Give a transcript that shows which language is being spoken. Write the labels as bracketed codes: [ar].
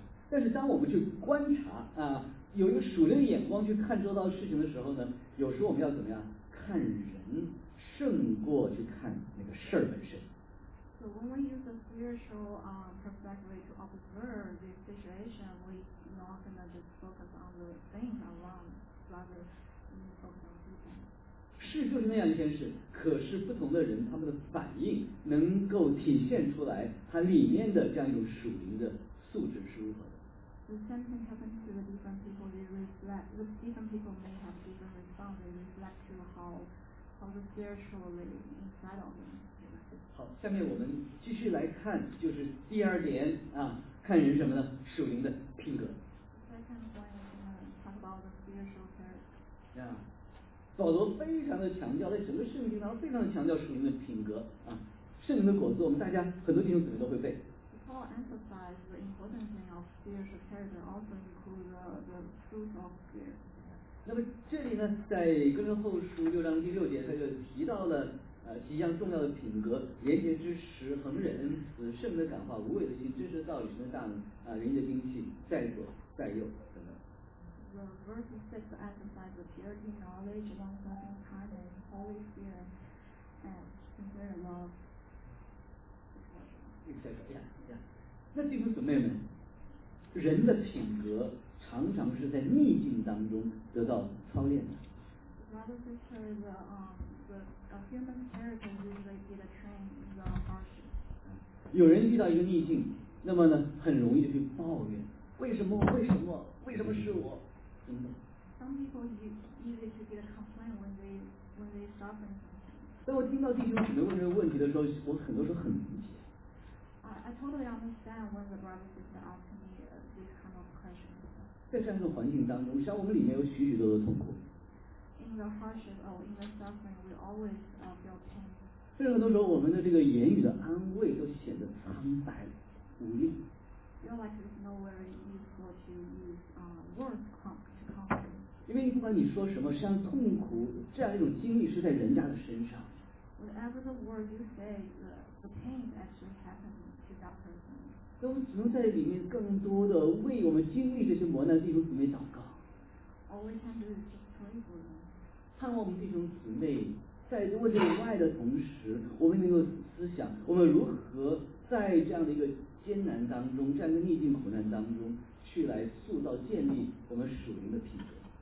[zh] 但是当我们去观察啊，有一个属灵眼光去看周遭事情的时候呢，有时候我们要怎么样看人，胜过去看那个事儿本身。 [en] So when we use a spiritual perspective to observe the situation, we're not going to just focus on the things around, rather focus on people. [zh] 事就是那样一件事，可是不同的人他们的反应能够体现出来它里面的这样一种属灵的素质是如何的。 [en] The same thing happens to the different people. They reflect. The different people may have different response. They reflect to how the spiritually inside of them. [zh] 好，下面我们继续来看，就是第二点啊，看人什么呢？属灵的品格。 [en] Second point, talk about the spiritual character. [zh] Yeah, 保罗非常的强调，在整个圣经当中非常的强调属灵的品格啊，圣灵的果子，我们大家很多弟兄姊妹都会背。 [en] Paul emphasized the important thing of spiritual character, also include the fruit of spirit. [zh] 那么这里呢，在哥林后书六章第六节，他就提到了。几样重要的品格，廉洁之实，恒忍恩慈，圣的感化，无畏的心，知识道理，神的大能，人的精气，在左在右等等。 [en] The verse 6 emphasizes the purity, knowledge, long suffering, kindness, holy fear, and sincere love. Etc. [zh] 那弟兄姊妹们，人的品格常常是在逆境当中得到操练的。 [en] Brothers and sisters, the human character usually get a train in the hardship. [zh] 有人遇到一个逆境，那么呢，很容易去抱怨，为什么？为什么？为什么是我？真的。 [en] Some people usually to get a complaint when they suffer something. [zh] 当我听到弟兄姊妹问这个问题的时候，我很多时候很理解。 [en] I totally understand when the brothers and sisters ask me this kind of question. [zh] 在这样一个环境当中，像我们里面有许许多多的痛苦。 [en] In the hardship or in the suffering, we always feel pain. [zh] 甚至很多时候，我们的这个言语的安慰都显得苍白无力。 [en] Feel like it's not very useful to use words to comfort. [zh] 因为不管你说什么，实际上痛苦这样一种经历是在人家的身上。 [en] Whatever the word you say, the pain actually happens to that person. [zh] 所以我们只能在里面更多的为我们经历这些磨难的弟兄姊妹祷告。 [en] All we can do is just pray for them. [zh] 盼望我们弟兄姊妹在问这个爱的同时，我们能够思想我们如何在这样的一个艰难当中，这样的逆境苦难当中去来塑造建立我们属灵的品格。